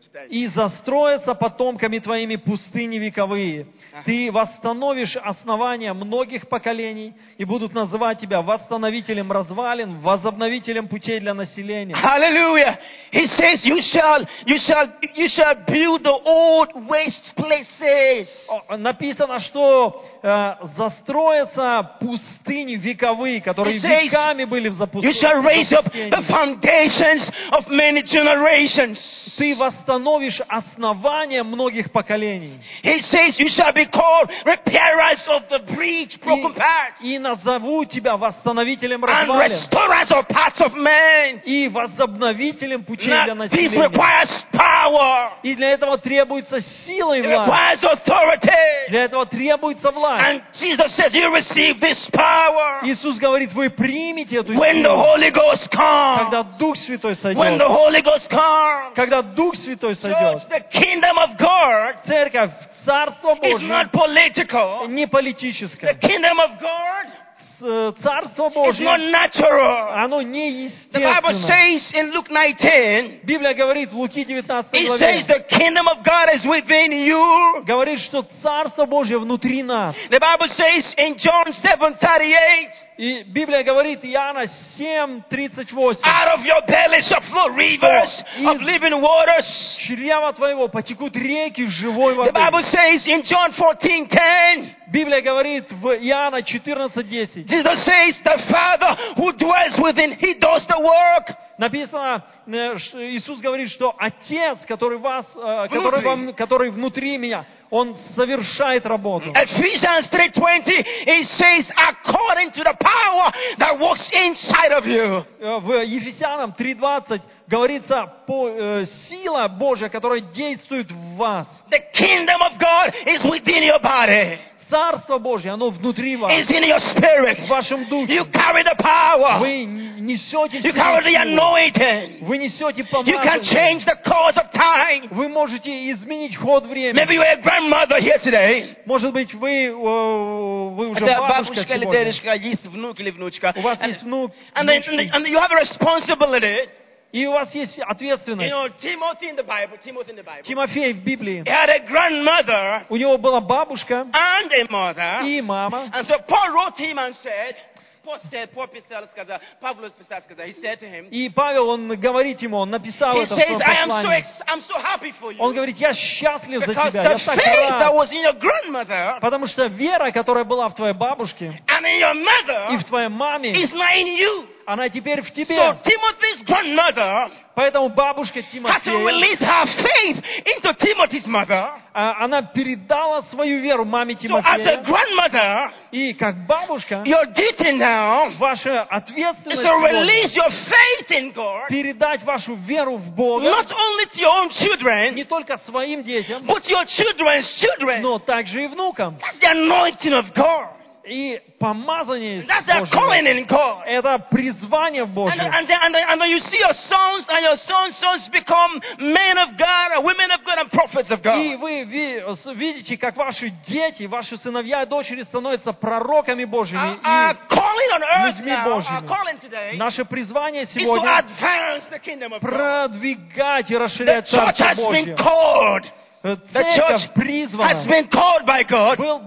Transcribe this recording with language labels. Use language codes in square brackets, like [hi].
[ru] И застроятся потомками твоими пустыни вековые. Ты восстановишь основания многих поколений и будут называть тебя восстановителем развалин, возобновителем путей для населения. [en] Hallelujah. He says you shall build the old waste places. [ru] Написано, что застроятся пустыни вековые, которые веками были в запустении. [en] You shall raise up the foundations of many generations. [ru] Ты восстановишь основания многих поколений. [en] He says you shall be called repairers of the breach, broken parts. [ru] И назову тебя восстановителем развалин. [en] And restorers of parts of man. [ru] И возобновителем путей для населения. [en] This requires power. [ru] И для этого требуется сила и власть. [en] It requires authority. [ru] Для этого требуется власть. [en] And Jesus says you receive this power. [ru] Иисус говорит, вы примете эту силу. [en] When the Holy Ghost comes. [ru] Когда Дух Святой сойдет. [en] When the Holy Ghost comes. [ru] Когда Дух Святой сойдет. [en] The kingdom of God. [ru] Церковь, Царство Божье. [en] Is not political. [ru] Не политическое. [en] The kingdom of God. [ru] Царство Божье. [en] It's not natural. [ru] Оно не естественно. [en] The Bible says in Luke 19. [ru] Библия говорит в Луки 19 главе. [en] It says the kingdom of God is within you. [ru] Говорит, что Царство Божье внутри нас. [en] The Bible says in John 7:38. [ru] И Библия говорит Иоанна 7:38. [en] Out of your belly shall flow rivers of living waters. [ru] Из чрева твоего потекут реки живой воды. [en] The Bible says in John 14:10. [ru] Библия говорит в Иоанна 14:10. [en] Jesus says the Father who dwells within, He does the work. [ru] Написано, Иисус говорит, что Отец, который вас, который вам, который внутри меня, Он совершает работу. [en] Ephesians 3:20, it says, according to the power that works inside of you. [ru] В Ефесянам 3:20 говорится, по сила Божия, которая действует в вас. [en] The kingdom of God is within your body. [ru] Царство Божье, оно внутри вас. [en] It's in your spirit. [ru] В вашем духе. [en] You carry the power. [ru] Вы несете силу. [en] You carry the anointing. [ru] Вы несете помазание. [en] You can change the course of time. [ru] Вы можете изменить ход времени. [en] Maybe you are a grandmother here today. [ru] Может быть, вы уже бабушка сегодня. Это бабушка или дедушка, есть внук или внучка. У вас есть внук. [en] And you have a responsibility. [ru] И у вас есть ответственность. [en] You know, Timothy in the Bible, Timothy in the Bible. [ru] Тимофей в Библии. [en] He had a grandmother. [ru] У него была бабушка. [en] And a mother. [ru] И мама. [en] And so Paul wrote him and said, Paul [ru] писал, сказал, Павел писал, сказал, [en] he said to him. [ru] И Павел, он говорит ему, он написал это в своем послании. [en] He says, I'm so happy for you. [ru] Он говорит, я счастлив за тебя. [en] Because the faith that was in your grandmother. [ru] Потому что вера, которая была в твоей бабушке. [en] And in your mother. [ru] И в твоей маме. [en] Is not in you. [ru] Она теперь в тебе. [en] So Timothy's grandmother. [ru] Поэтому бабушка Тимофея. [en] Has to release her faith into Timothy's mother. [ru] Она передала свою веру маме Тимофея. [en] So as a grandmother. [ru] И как бабушка. [en] Your duty now. [ru] Ваша ответственность. [en] Is to release your faith in God. [ru] Передать вашу веру в Бога. [en] Not only to your own children. [ru] Не только своим детям. [en] But your children's children. [ru] Но также и внукам. [en] That's the anointing of God. [ru] И помазание Божье. Это призвание в Божье. [en] And you see your sons and your sons become men of God, women of God, and prophets of God. [ru] И вы видите, как ваши дети, ваши сыновья и дочери становятся пророками Божьими и людьми Божьими. Наше призвание сегодня продвигать и расширять Царство Божье. [en] The church has been called by God